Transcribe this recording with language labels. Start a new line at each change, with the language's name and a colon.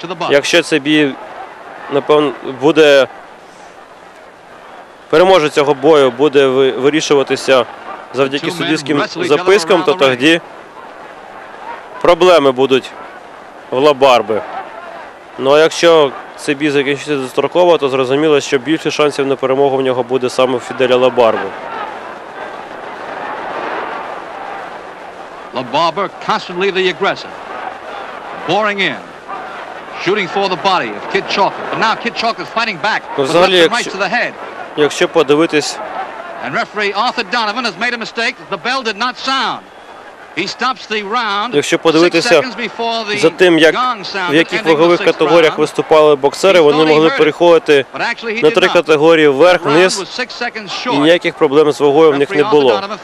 Ukrainian: якщо цей бій, напевно, буде, переможець цього бою буде вирішуватися завдяки суддівським запискам, то тоді проблеми будуть в Лабарби. Ну, а якщо цей бій закінчиться достроково, то зрозуміло, що більше шансів на перемогу в нього буде саме Фіделя Лабарби.
English: LaBarber constantly the aggressor, boring in, shooting for the body of Kid Chocolate. But now Kid Chocolate is fighting back.
Ukrainian: Взагалі, якщо подивитись,
English: and referee Arthur Donovan has made a mistake. The bell did not sound. He stops the round.
Ukrainian: Якщо подивитися за тим, як в яких вагових категоріях виступали боксери, вони могли переходити на три категорії вверх, вниз, і ніяких проблем з вагою в них не було.